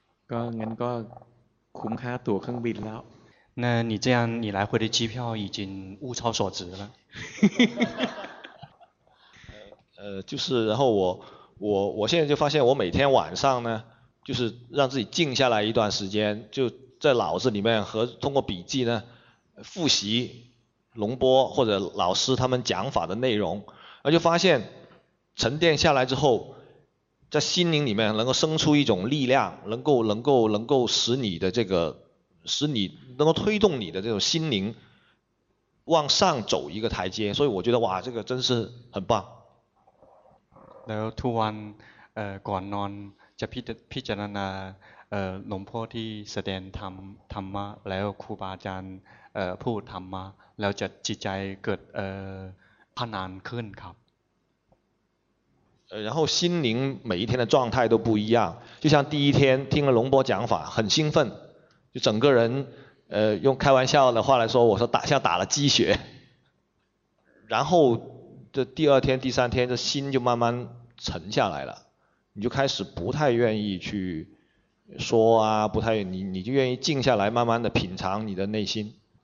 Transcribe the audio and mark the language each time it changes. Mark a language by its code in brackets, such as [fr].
[th] ก็งั้นก็คุ้มค่าตั๋วเครื่องบินแล้ว [zh] 那你这样你来回的机票已经物超所值了就是然后我现在就发现我每天晚上呢就是让自己静下来一段时间就在脑子里面和通过笔记呢复习龙波或者老师他们讲法的内容而就发现沉淀下来之后在心灵里面能够生出一种力量能够使你的这个使你能够推动你的这种心灵往上走一个台阶，所以我觉得哇，这个真是很棒。 [th] แล้วทุกวันก่อนนอนจะพิจารณาหลวงพ่อที่แสดงธรรมะแล้วครูบาอาจารย์พูดธรรมะแล้วจะจิตใจเกิดพนันขึ้นครับ [zh] 然后心灵每一天的状态都不一样，就像第一天听了龙波讲法很兴奋，就整个人用开玩笑的话来说，我说打像打了鸡血，然后这第二天第三天这心就慢慢沉下来了，你就开始不太愿意去说啊，不太你就愿意静下来慢慢的品尝你的内心。